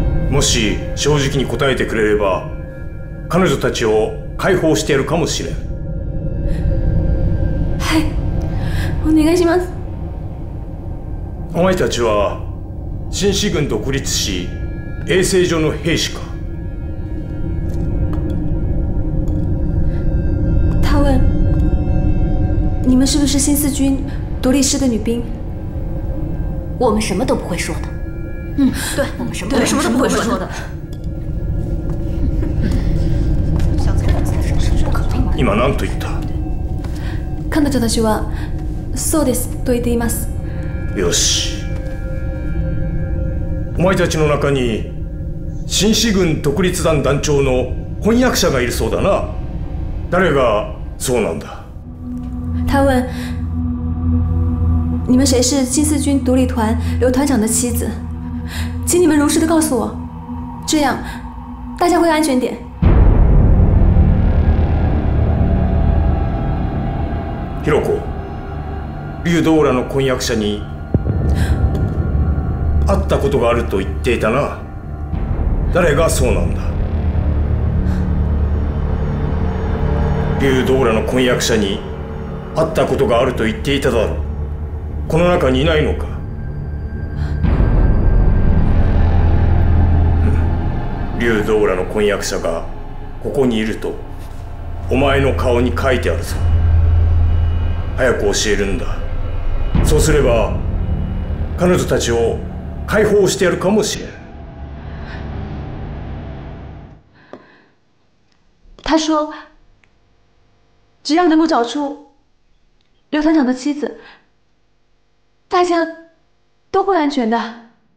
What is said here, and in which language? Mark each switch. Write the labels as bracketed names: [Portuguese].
[Japanese] もし正直に答えてくれれば、彼女たちを解放してやるかもしれん。お願いします。お前たちは新四軍独立し衛生所の兵士か？ [Chinese] 他问你们是不是新四军独立师的女兵。我们什么都不会说的。嗯，对，我们什么什么都不会说的。 [Japanese] 今何と言った？彼女たちはそうですと言っています。よし、お前たちの中に新四軍独立団団長の翻訳者がいるそうだな。誰がそうなんだ？ [Chinese] 他问你们谁是新四军独立团刘团长的妻子，请你们如实的告诉我，这样大家会安全点。 [Japanese] ヒロコ、劉道らの婚約者に会ったことがあると言っていたな。誰がそうなんだ？劉道らの婚約者に会ったことがあると言っていただろう。この中にいないのか。リュウ・ドーラの婚約者がここにいるとお前の顔に書いてあるぞ。早く教えるんだ。そうすれば彼女たちを解放してやるかもしれん。 [Chinese] 他说只要能够找出刘团长的妻子，大家都会安全的。